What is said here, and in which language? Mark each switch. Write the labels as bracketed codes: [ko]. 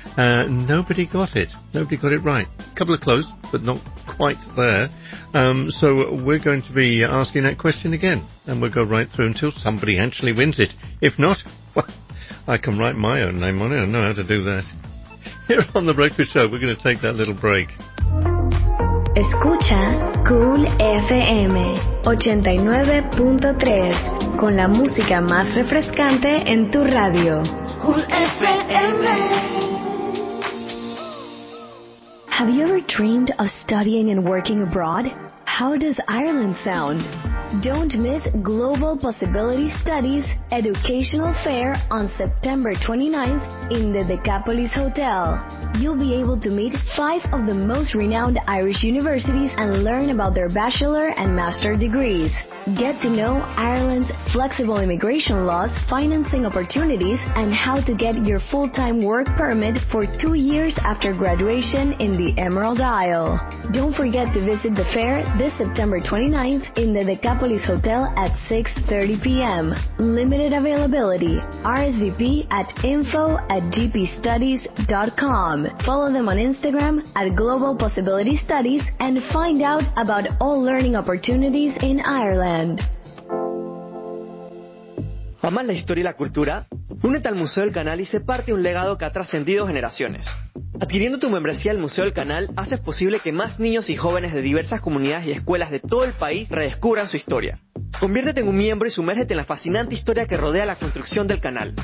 [en] Nobody got it. Nobody got it right. A couple of close, but not quite there. So we're going to be asking that question again, and we'll go right through until somebody actually wins it. If not, I can write my own name on it. I know how to do that. Here on The Breakfast Show, we're going to take that little break. [es] Escucha Cool FM 89.3 con la música más refrescante en tu radio. Cool FM. [en] Have you ever dreamed of studying and working abroad? How does Ireland sound? Don't miss Global Possibility Studies Educational Fair on September 29th in the Decapolis Hotel. You'll be able to meet five of the most renowned Irish universities and learn about their bachelor and master degrees. Get to know Ireland's flexible immigration laws, financing opportunities, and how to get your full-time work permit for 2 years after graduation in the Emerald Isle. Don't forget to visit the fair this September 29th in the Decapolis Hotel at 6:30 p.m. Limited availability. RSVP at info@gpstudies.com. Follow them on Instagram at Global Possibility Studies and find out about all learning opportunities in Ireland. [es] ¿Amas la historia y la cultura? Únete al Museo del Canal y sé parte de un legado que ha trascendido generaciones. Adquiriendo tu membresía al Museo del Canal, haces posible que más niños y jóvenes de diversas comunidades y escuelas de todo el país redescubran su historia. Conviértete en un miembro y sumérgete en la fascinante historia que rodea la construcción del canal.